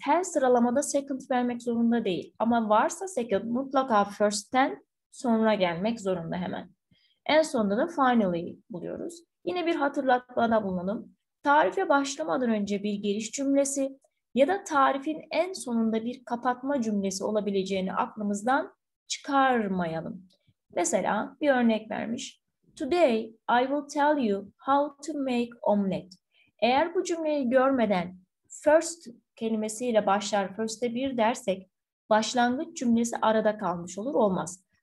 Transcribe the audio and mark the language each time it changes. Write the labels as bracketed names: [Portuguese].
[Turkish] Her sıralamada second vermek zorunda değil. Ama varsa second mutlaka first'ten sonra gelmek zorunda hemen. En sonunda da finally buluyoruz. Yine bir hatırlatmada bulunalım. Tarife başlamadan önce bir giriş cümlesi ya da tarifin en sonunda bir kapatma cümlesi olabileceğini aklımızdan çıkarmayalım. Mesela bir örnek vermiş. [English] Today I will tell you how to make omelet. [Turkish] Eğer bu cümleyi görmeden first kelimesiyle başlar, first'e bir dersek başlangıç cümlesi arada kalmış olur olmaz.